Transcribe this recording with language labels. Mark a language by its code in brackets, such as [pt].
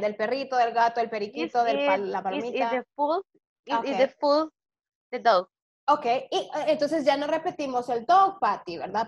[es] ¿Del perrito, del gato, el periquito, la palomita? [en] It's the food. It's okay. The food, the dog. [es] Ok, y entonces ya no repetimos el dog, Patty, ¿verdad?